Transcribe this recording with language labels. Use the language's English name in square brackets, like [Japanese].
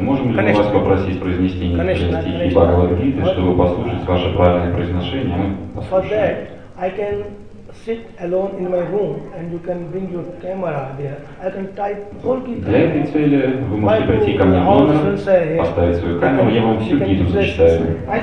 [Russian] Можем ли мы вас попросить произнести несколько стихов чтобы послушать ваше правильное произношение? [English] For that, I can sit alone in my room and you can bring your camera there. I can type whole Gita. [Russian] Для этой цели вы можете прийти ко мне в номер, поставить свою камеру, я вам всю Гиту зачитаю.